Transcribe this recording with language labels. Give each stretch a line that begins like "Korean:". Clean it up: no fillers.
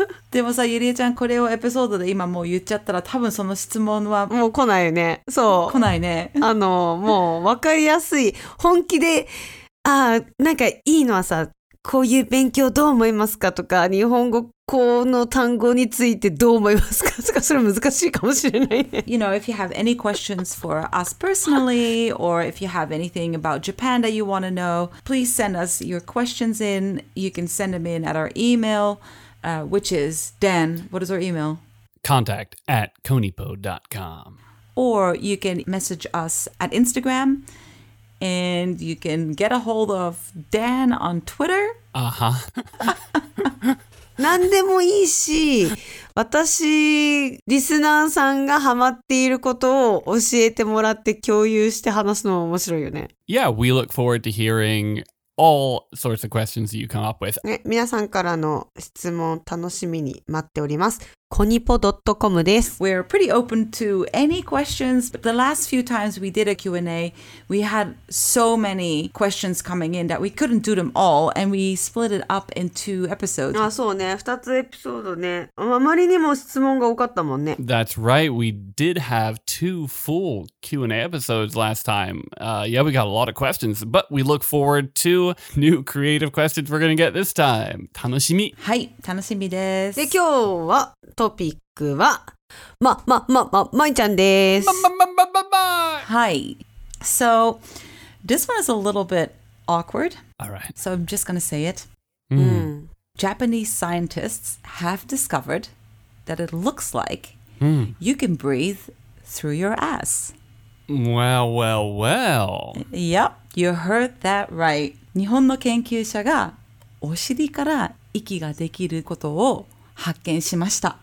Japanese: でもさ、ゆりえちゃん、これをエピソードで今もう言っちゃったら、多分その質問は。もう来ないよね。そう。来ないね。あの、もう分かりやすい。本気で、あ、なんかいいのはさ、こういう勉強どう思いますかとか、日本語この単語についてどう思いますかとか、それ難しいかもしれないね。
English: You know, if you have any questions for us personally, or if you have anything about Japan that you want to know, please send us your questions in. You can send them in at our email, which is, Dan, what is our email? contact@konnichiwa.com. Or you can message us at Instagram. And you can get a hold of Dan on Twitter. Uh-huh.
Japanese: 何でもいいし、私、リスナーさんがハマっていることを教えてもらって共有して話すのも面白いよね。
English: Yeah, we look forward to hearing all sorts of questions that you come up with.
Japanese: ね、皆さんからの質問楽しみに待っております。 konnichiwa.com です。
English: We're pretty open to any questions. The last few times we did a Q&A, we had so many questions coming in that we couldn't do them all, and we split it up into episodes.
Japanese: あ、そうね。2つエピソードね。あまりにも質問が多かったもんね。
English: That's right. We did have two full Q&A episodes last time. Yeah, we got a lot of questions, but we look forward to new creative questions we're going to get this time.
Japanese: 楽しみ。はい、楽しみです。で、今日は、トピックは、まいちゃんです。はい。
English: So, this one is a little bit awkward. All right. So, I'm just going to say it.、 Mm. Japanese scientists have discovered that it looks like、you can breathe through your ass. Well, well, well. Yep, you heard that right.
Japanese: 日本の研究者がお尻から息ができることを発見しました。